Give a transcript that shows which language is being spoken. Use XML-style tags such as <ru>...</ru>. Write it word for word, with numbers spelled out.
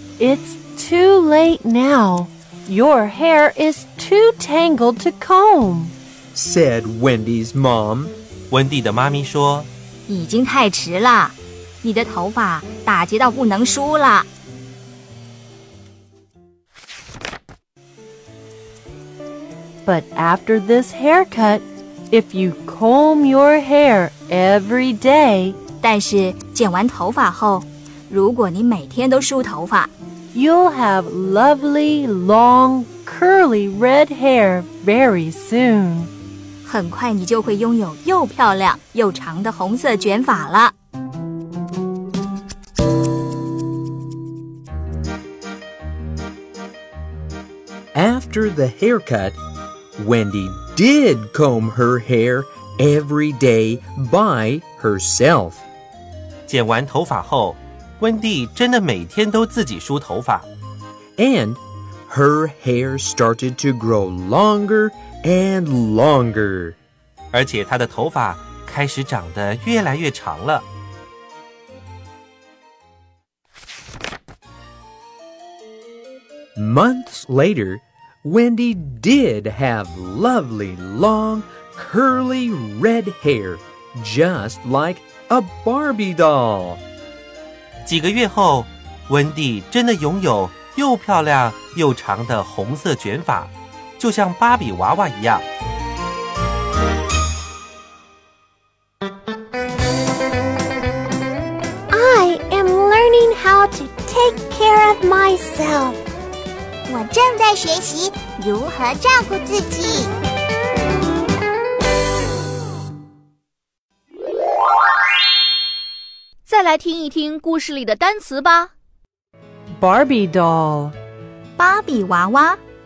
<en>It's too late now. Your hair is too tangled to comb, said Wendy's mom.</en> <zh>温蒂的妈咪说，已经太迟了，你的头发打结到不能梳了。</zh> <en>But after this haircut, if you comb your hair every day,</en> <zh>但是剪完头发后，如果你每天都梳头发，</zh> <en>You'll have lovely, long, curly red hair very soon.</en> <zh>很快你就会拥有又漂亮又长的红色卷发了。</zh> <en>After the haircut, Wendy did comb her hair every day by herself.</en> <zh>剪完头发后，温蒂真的每天都自己梳头发。</zh> <en>And her hair started to grow longer and longer.</en> <zh>而且她的头发开始长得越来越长了。</zh> <en>Months later, Wendy did have lovely, long, curly red hair, just like a Barbie doll.</en> <zh>几个月后，温蒂真的拥有又漂亮又长的红色卷发，就像芭比娃娃一样。</zh> <en>I am learning how to take care of myself.</en> <zh>我正在学习如何照顾自己。再来听一听故事里的单词吧。</zh> <en>Barbie doll</en> <zh>芭比娃娃</zh>